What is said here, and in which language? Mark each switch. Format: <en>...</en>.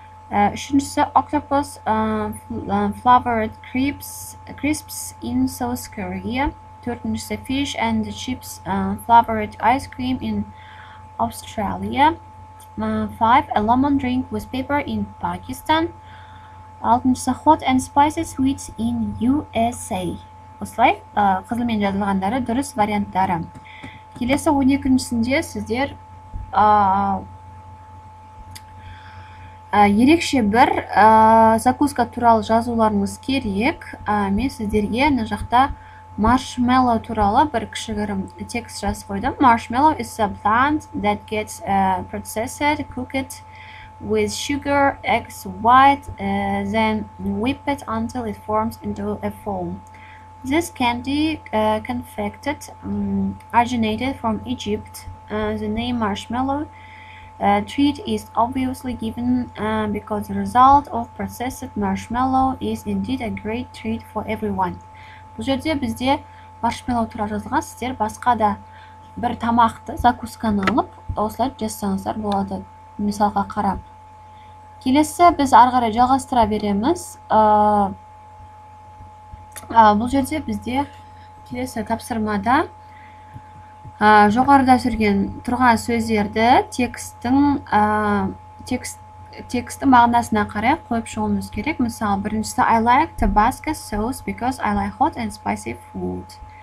<kk>Үшіншісі</kk> <en>octopus flavored crisps in South Korea.</en> <kk>Төртіншісі</kk> <en>fish and chips flavored ice cream in Australia. Five, a lemon drink with pepper in Pakistan.</en> <kk>Алтыншысы</kk> <en>hot and spicy sweets in USA.</en> <kk>Осылай қызылмен жазылғандары дұрыс варианттары. Келесі 12-сінде сіздер ерекше бір закуска туралы жазуларыңыз керек. Мен сіздерге мына жақта marshmallow туралы бір кішігірім текст жазып қойдым.</kk> <en>Marshmallow is a plant that gets processed, cooked with sugar, eggs, white, then whipped until it forms into a foam. This candy confected originated from Egypt. The name marshmallow treat is obviously given because the result of processed marshmallow is indeed a great treat for everyone.</en> <kk>Бұл жерде бізде marshmallow туралы жазылған, сіздер басқа да бір тамақты, закусканы алып, осылай жазсаңыздар болады, мысалға қарап. Келесі біз ары қарай жалғастыра береміз. Бұл жерде бізде келесі тапсырмада жоғарыда тұрған сөздерді текстің мағынасына қарай қойып шығуымыз керек. Мысалы, біріншісі</kk> <en>I like Tabasco sauce because I like hot and spicy food.</en>